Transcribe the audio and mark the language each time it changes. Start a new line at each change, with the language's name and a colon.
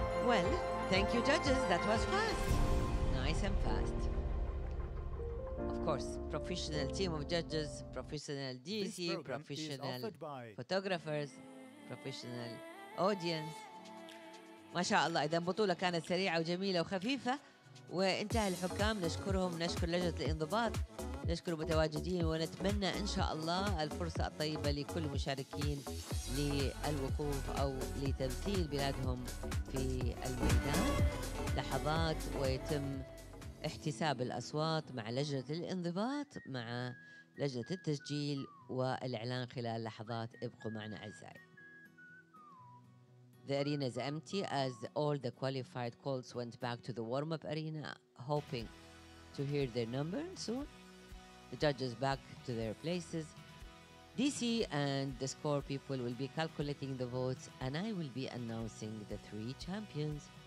English: Well, thank you, judges. That was fast. Nice and fast. Of course, professional team of judges, professional DC, professional photographers, professional audience.
Arabic: ما شاء الله. إذا البطولة كانت سريعة وجميلة وخفيفة وانتهى الحكام، نشكرهم، نشكر لجنة الانضباط، نشكر المتواجدين، ونتمنى إن شاء الله الفرصة الطيبة لكل مشاركين للوقوف أو لتمثيل بلادهم في الميدان لحظات، ويتم احتساب الأصوات مع لجنة الانضباط مع لجنة التسجيل والإعلان خلال لحظات. ابقوا معنا أعزائي.
English: The arena is empty as all the qualified calls went back to the warm-up arena, hoping to hear their number soon. The judges back to their places. DC and the score people will be calculating the votes, and I will be announcing the three champions.